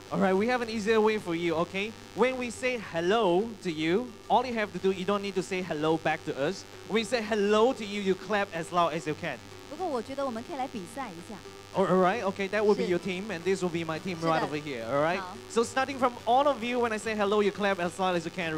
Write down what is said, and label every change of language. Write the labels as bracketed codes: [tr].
[en] All right. We have an easier way for you. Okay. When we say hello to you, all you have to do, you don't need to say hello back to us. When we say hello to you, you clap as loud as you can. [zh] 不过我觉得我们可以来比赛一下。 [en] All right, okay, that will be your team, and this will be my team right over here, all right? So starting from all of you, when I say hello, you clap as loud as you can.